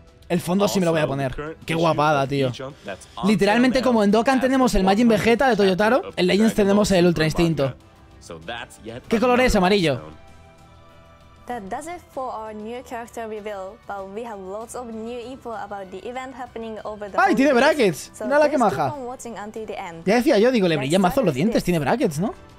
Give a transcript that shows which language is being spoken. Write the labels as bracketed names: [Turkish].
[Spanish] El fondo sí me lo voy a poner. ¡Qué guapada, tío! Literalmente, como en Dokkan tenemos el Majin Vegeta de Toyotaro, en Legends tenemos el Ultra Instinto. ¿Qué color es? Amarillo. [English] That does it for our new character reveal, but we have lots of new info about the event happening over the. [Spanish] ¡Ay, tiene brackets! ¡Mira la que maja! Ya decía yo, digo, le brillan mazo los dientes, tiene brackets, ¿no?